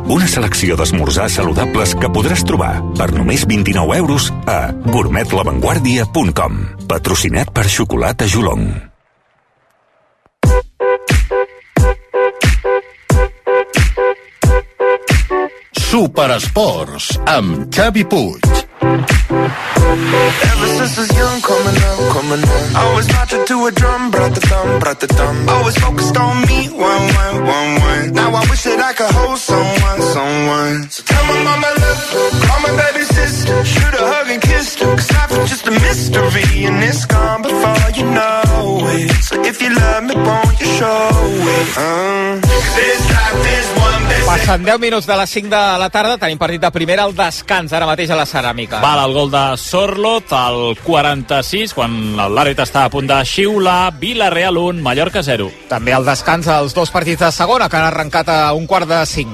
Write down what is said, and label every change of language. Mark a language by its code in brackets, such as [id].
[ca] Una selecció d'esmorzars saludables que podràs trobar per només 29 euros a gourmetlavanguardia.com. Patrocinat per Xocolata Joulong. Superesports amb Xavi Puig. [en] Ever since I was young, coming up, always marching to a drum, brat-a-thumb, brat-a-thumb. Always focused on me, one. Now I wish that I could hold someone. So tell my mama love, call my baby sister, shoot a hug and kiss her, 'cause life is just a mystery and it's gone before you know it. So if you love me, won't you show it? This life is one. [ca] Passen 10 minuts de les 5 de la tarda, tenim partit de primera, el descans ara mateix a la Ceràmica. Val, el gol de Sorloth al 46, quan l'àrbitre està a punt de xiular, Villarreal 1, Mallorca 0. També el descans als dos partits de segona, que han arrencat a un quart de 5.